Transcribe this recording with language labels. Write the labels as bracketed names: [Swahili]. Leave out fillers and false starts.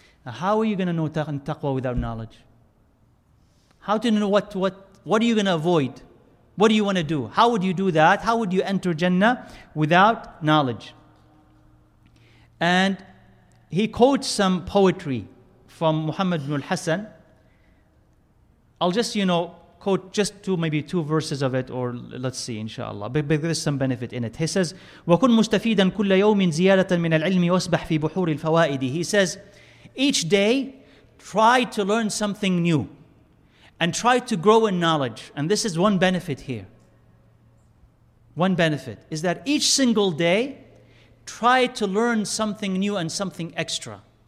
[English] Now how are you going to know taqwa without knowledge? How do you know what are you going to avoid? What do you want to do? How would you do that? How would you enter Jannah without knowledge? And he quotes some poetry from Muhammad ibn al-Hasan. I'll just, quote just two verses of it, or let's see, inshallah. But there's some benefit in it. He says, [Arabic] وَكُنْ مُسْتَفِيدًا كُلَّ يَوْمٍ زِيَادَةً مِنَ الْعِلْمِ وَاسْبَحْ فِي بُحُورِ الْفَوَائِدِ. [English] He says, each day, try to learn something new. And try to grow in knowledge. And this is one benefit here. One benefit is that each single day, try to learn something new and something extra.